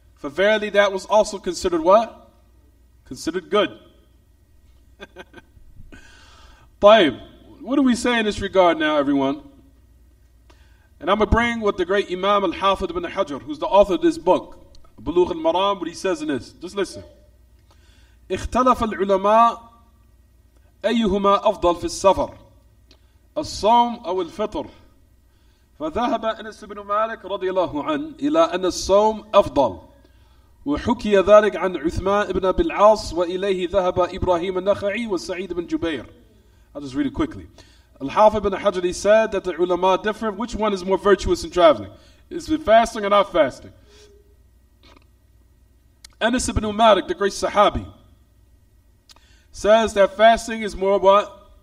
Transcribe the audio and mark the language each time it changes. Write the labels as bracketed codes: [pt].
[en] For verily that was also considered what? Considered good. Taib, what do we say in this regard now, everyone? And I'm going to bring what the great Imam Al-Hafidh ibn Hajar, who's the author of this book, Buloogh Al-Maraam, what he says in this. Just listen. [ar] اختلف العلماء أيهما أفضل في السفر الصوم أو الفطر فذهب أنس بن مالك رضي الله عنه إلى أن الصوم أفضل وحكي ذلك عن عثمان بن أبي العاص وإليه ذهب إبراهيم النخعي وسعيد بن جبير. [en] I'll just read it quickly. Al-Hafidh ibn Hajar, he said that the ulama differ. Which one is more virtuous in traveling? Is it fasting or not fasting? Anas ibn Malik, the great Sahabi, says that fasting is more what?